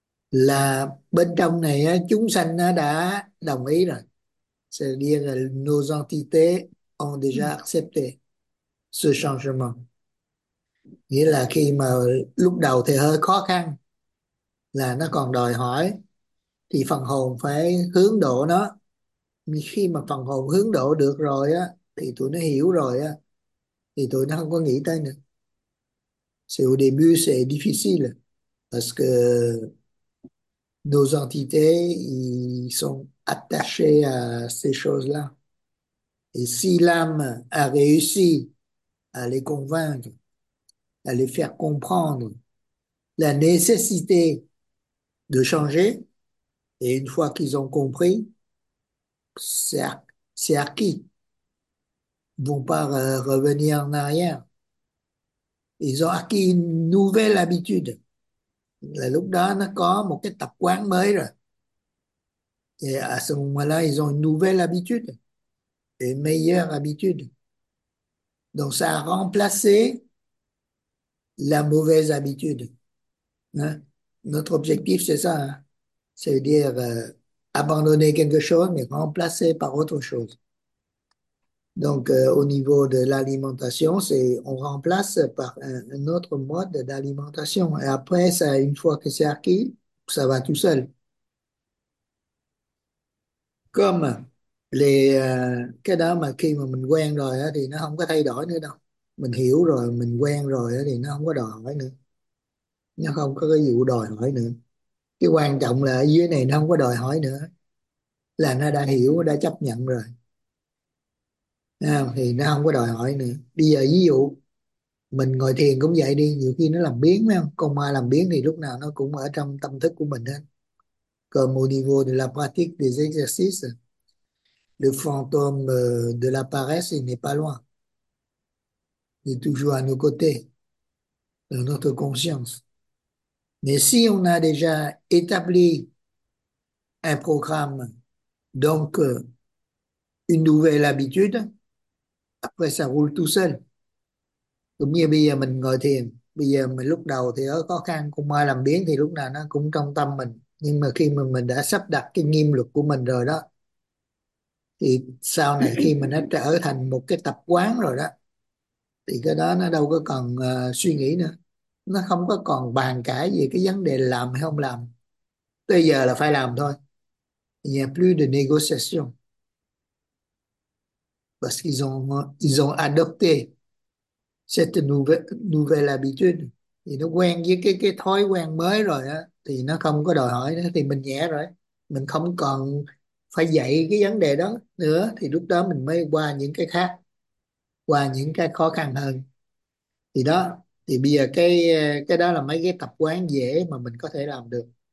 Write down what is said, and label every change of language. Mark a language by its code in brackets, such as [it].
[vi] Là bên trong này á, chúng sanh đã đồng ý rồi, [fr] c'est-à-dire nos entités ont déjà accepté ce changement, [vi] nghĩa là khi mà lúc đầu thì hơi khó khăn là nó còn đòi hỏi thì phần hồn phải hướng độ nó. Khi mà phần hồn hướng độ được rồi á thì tụi nó hiểu rồi á thì tụi nó không có nghĩ tới nữa. [fr] C'est au début c'est difficile parce que nos entités ils sont attachés à ces choses-là. Et si l'âme a réussi à les convaincre, à les faire comprendre la nécessité de changer, et une fois qu'ils ont compris, c'est acquis. Ils ne vont pas revenir en arrière. [vi] Thì do cái [fr] nouvelle habitude [vi] là lúc đó nó có một cái tập quán mới rồi. Thì [fr] à ce moment-là, ils ont une nouvelle habitude, une meilleure habitude. Donc ça a remplacé la mauvaise habitude. Hein? Notre objectif, c'est ça. Hein? C'est-à-dire abandonner quelque chose, mais remplacer par autre chose. Donc, au niveau de l'alimentation, c'est on remplace par un autre mode d'alimentation. Et après, ça, une fois que c'est acquis, ça va tout seul. Comme les [vi] cái đó mà khi mà mình quen rồi đó, thì nó không có thay đổi nữa đâu. Mình hiểu rồi, mình quen rồi đó, thì nó không có đòi hỏi nữa. Nó không có cái vụ đòi hỏi nữa. Cái quan trọng là ở dưới này nó không có đòi hỏi nữa. Là nó đã hiểu, đã chấp nhận rồi. À, thì nó không có đòi hỏi nữa. Bây giờ ví dụ mình ngồi thiền cũng vậy đi, nhiều khi nó làm biến, phải không? Con ma làm biến thì lúc nào nó cũng ở trong tâm thức của mình hết. [fr] Comme au niveau de la pratique des exercices, le fantôme de la paresse il n'est pas loin. Il est toujours à nos côtés, dans notre conscience. Mais si on a déjà établi un programme, donc une nouvelle habitude, après ça roule tout seul. [vi] Cũng như bây giờ mình ngồi thiền, bây giờ mình lúc đầu thì ở khó khăn, cũng mai làm biến thì lúc nào nó cũng trong tâm mình. Nhưng mà khi mà mình đã sắp đặt cái nghiêm luật của mình rồi đó, thì sau này khi mà nó trở thành một cái tập quán rồi đó, thì cái đó nó đâu có còn suy nghĩ nữa. Nó không có còn bàn cãi về cái vấn đề làm hay không làm. Bây giờ là phải làm thôi. [fr] Il n'y a plus de négociation. Parce qu'ils ont adopté cette nouvelle habitude. [vi] Thì nó quen với cái thói quen mới rồi á, thì nó không có đòi hỏi nữa, thì mình nhẹ rồi, mình không còn phải dạy cái vấn đề đó nữa, thì lúc đó mình mới qua những cái khác, qua những cái khó khăn hơn. Thì đó, thì bây giờ cái đó là mấy cái tập quán dễ mà mình có thể làm được.